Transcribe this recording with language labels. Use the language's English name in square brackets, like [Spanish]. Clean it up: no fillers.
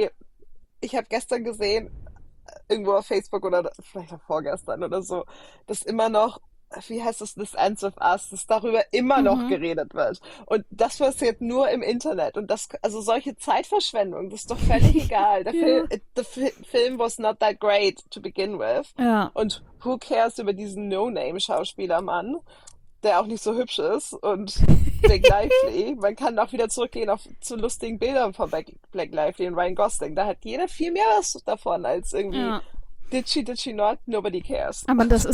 [German] Beispiel, ich habe gestern gesehen, irgendwo auf Facebook oder vielleicht auch vorgestern oder so, dass immer noch, wie heißt das, This Ends With Us, dass darüber immer noch geredet wird. Und das passiert nur im Internet. Und das, also solche Zeitverschwendung, das ist doch völlig egal. Der Film [English] was not that great to begin with. [German] Und [English] who cares [German] über diesen No-Name-Schauspielermann, der auch nicht so hübsch ist und Blake Lively. Man kann auch wieder zurückgehen zu lustigen Bildern von Blake Lively und Ryan Gosling. Da hat jeder viel mehr was davon als irgendwie Ja. Ditchy Ditchy Aber das ist